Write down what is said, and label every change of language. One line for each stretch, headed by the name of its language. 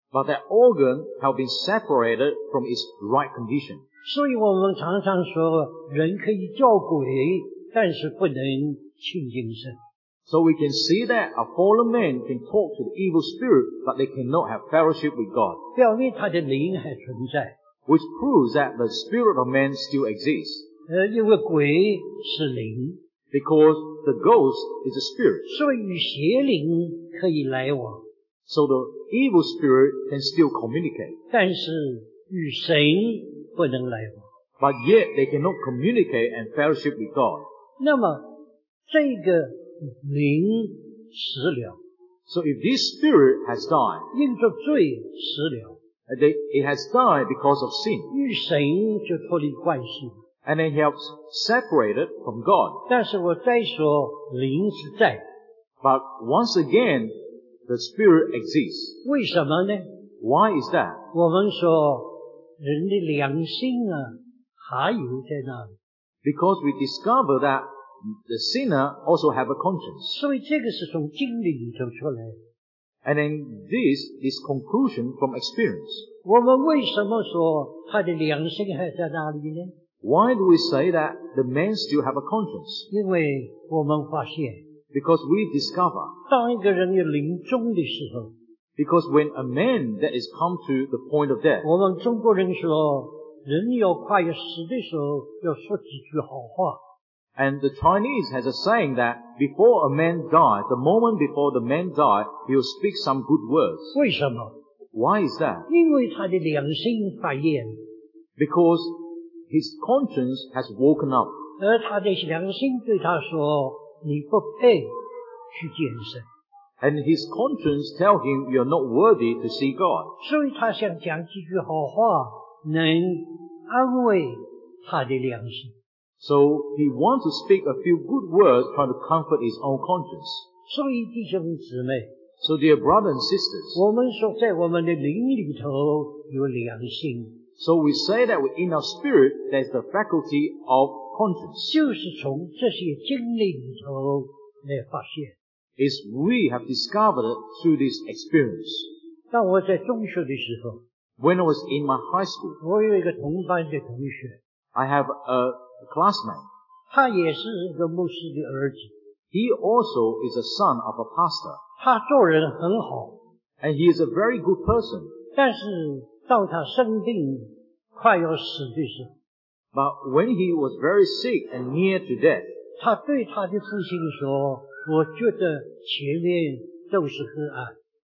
English: But that organ have been separated from its right condition.
Chinese: 所以我们常常说人可以叫鬼但是不能亲近神。
English: So we can see that a fallen man can talk to the evil spirit, but they cannot have fellowship with God.
Chinese: 表明他的灵还存在。
English: Which proves that the spirit of man still exists.
Chinese: 因为鬼是灵。
English: Because the ghost is a spirit.
Chinese: 所以与邪灵可以来往。
English: So the evil spirit can still communicate.
Chinese: 但是与神不能来往。
English: But yet they cannot communicate and fellowship with God.
Chinese: 那么这个灵死了。
English: So if this spirit has died,
Chinese: 因着罪死了。
English: It has died because of sin.
Chinese: 与神就脱离关系。
English: And then he has separated from God.
Chinese: 但是我再说灵是在。
English: But once again, the spirit exists.
Chinese: 为什么呢？
English: Why is that?
Chinese: 我们说人的良心啊还有在那里。
English: Because we discover thatThe sinner also have a conscience.
Chinese: 所以这个是从经历里头出来的。
English: And then this is conclusion from experience.
Chinese: 我们为什么说他的良心还在那里呢？
English: Why do we say that the man still have a conscience?
Chinese: 因为我们发现。
English: Because we discover.
Chinese: 当一个人有临终的时候。
English: Because when a man that is come to the point of death.
Chinese: 我们中国人说人要快要死的时候要说几句好话。
English: And the Chinese has a saying that before a man dies, the moment before the man dies, he'll speak some good words.
Chinese: 为什么？
English: Why is that?
Chinese: 因为他的良心发现。
English: Because his conscience has woken up.
Chinese: 而他的良心对他说，你不配去见神。
English: And his conscience tell him you're not worthy to see God.
Chinese: 所以他想讲几句好话，能安慰他的良心。
English: So he wants to speak a few good words trying to comfort his own conscience.
Chinese: 所以弟兄姊妹,
English: So dear brothers and sisters,
Chinese: 我们说在我们的灵里头有良心。
English: So we say that within our spirit there's the faculty of conscience.
Chinese: 就是从这些经历里头来发现。
English: Is we have discovered it through this experience.
Chinese: 当我在中学的时候,
English: When I was in my high school,
Chinese: 我有一个同班的同学,
English: I have a a classmate.
Chinese: 他也是一个牧师的儿子。
English: He also is a son of a pastor.
Chinese: 他做人很好。
English: And he is a very good person.
Chinese: 但是当他生病快要死的时候,
English: But when he was very sick and near to death,
Chinese: 他对他的父亲说, 我觉得前面都是黑暗。